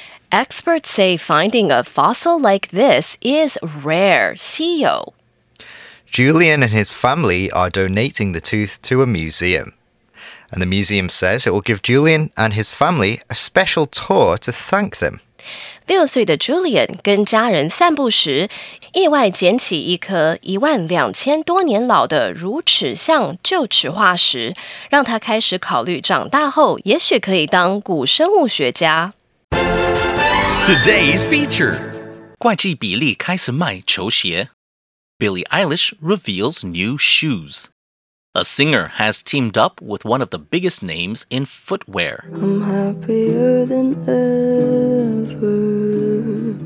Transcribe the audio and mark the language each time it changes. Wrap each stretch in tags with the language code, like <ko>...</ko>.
<en>Experts say finding a fossil like this is rare,</en> <zh>稀有.</zh> <en>Julian and his family are donating the tooth to a museum. And the museum says it will give Julian and his family a special tour to thank them.</en> <zh>六岁的 Julian 跟家人散步时意外捡起一颗一万两千多年老的乳齿象臼齿化石让他开始考虑长大后也许可以当古生物学家</zh> <en>Today's feature</en> <zh>怪计比利开始卖球鞋</zh> <en>Billie Eilish reveals new shoes A singer has teamed up with one of the biggest names in footwear I'm happier than ever</en>